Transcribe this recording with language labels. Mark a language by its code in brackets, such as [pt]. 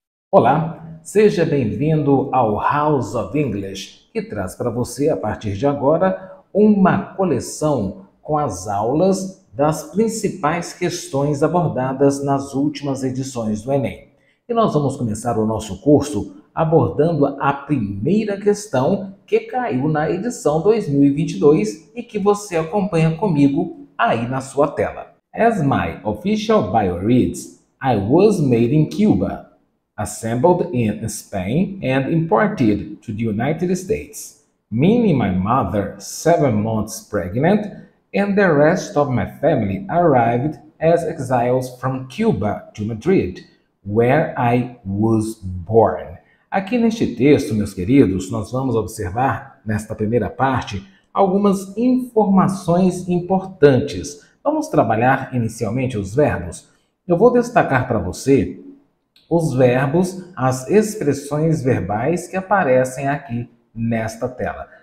[pt] Olá, seja bem-vindo ao House of English, que traz para você, a partir de agora, uma coleção com as aulas das principais questões abordadas nas últimas edições do Enem. E nós vamos começar o nosso curso abordando a primeira questão que caiu na edição 2022 e que você acompanha comigo aí na sua tela. [en] As my official bio reads, I was made in Cuba, assembled in Spain and imported to the United States, meaning my mother 7 months pregnant and the rest of my family arrived as exiles from Cuba to Madrid, where I was born. [pt] Aqui neste texto, meus queridos, nós vamos observar, nesta primeira parte, algumas informações importantes. Vamos trabalhar inicialmente os verbos? Eu vou destacar para você os verbos, as expressões verbais que aparecem aqui nesta tela.